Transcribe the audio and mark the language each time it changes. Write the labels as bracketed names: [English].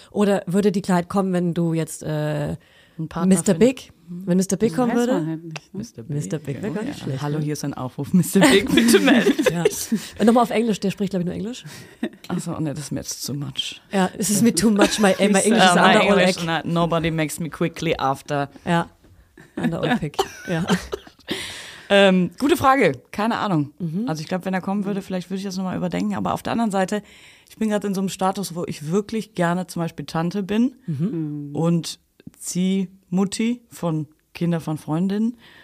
[German] Oder würde die Klarheit kommen, wenn du jetzt wenn Mr. Big kommen würde? Mr. Big wäre gar nicht schlecht. Hallo, hier ist ein Aufruf. Mr. Big, bitte melden. Und nochmal auf Englisch, der spricht, glaube ich, nur Englisch. Achso, nee, das ist mir jetzt [English] too much. [German] Ja, es ist mir [English] too much, my English is under all English, nobody makes me quickly after. [German] Ja. An der Olympic. Ja. Gute Frage, keine Ahnung. Also ich glaube, wenn er kommen würde, vielleicht würde ich das nochmal überdenken. Aber auf der anderen Seite, ich bin gerade in so einem Status, wo ich wirklich gerne zum Beispiel Tante bin und Ziehmutti von Kindern von Freundinnen.